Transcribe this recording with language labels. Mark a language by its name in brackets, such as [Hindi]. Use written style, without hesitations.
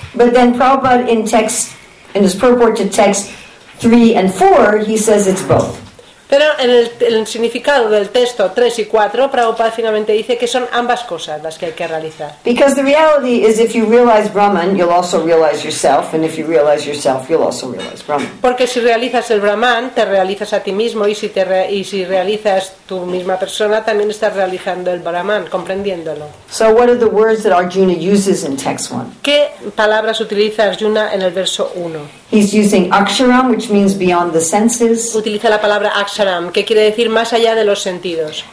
[English] But then Prabhupada in his purport to text 3 and 4, he says it's both. [Spanish] Pero en el significado del texto 3 y 4, Prabhupada finalmente dice que son ambas cosas las que hay que realizar. [English] Because the reality is if you realize Brahman, you'll also realize yourself, and if you realize yourself, you'll also realize Brahman. [Spanish] Porque si realizas el Brahman, te realizas a ti mismo, y si realizas tu misma persona, también estás realizando el Brahman, comprendiéndolo. [English] So what are the words that Arjuna uses in text 1? [Spanish] ¿Qué palabras utiliza Arjuna en el verso 1? [English] He's using aksharam, which means beyond the senses. [Spanish] Utiliza la palabra aksharam, que quiere decir más allá de los sentidos.